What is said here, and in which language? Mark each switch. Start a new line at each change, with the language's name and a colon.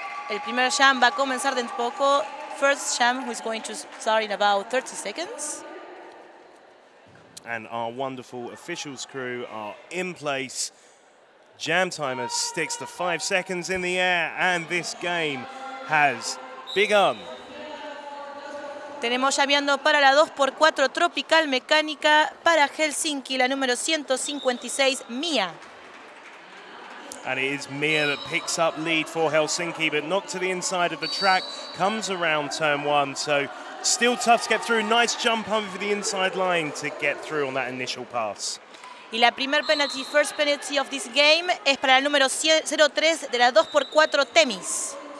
Spanish: El primer jam va a comenzar dentro poco.
English: First jam, who's going to start in about 30 seconds. And our wonderful officials crew are in place. Jam timer sticks to 5 seconds in the air, and this game has begun.
Spanish: Tenemos llameando para la 2x4 Tropical Mecánica para Helsinki, la número 156, Mia.
English: And it is Mia that picks up lead for Helsinki, but not to the inside of the track, comes around turn one, so still tough to get through. Nice jump over the inside line to get through on that initial pass.
Spanish: Y la primer penalty,
English: first penalty of this game,
Spanish: es para el número 03 de la 2x4 Temis.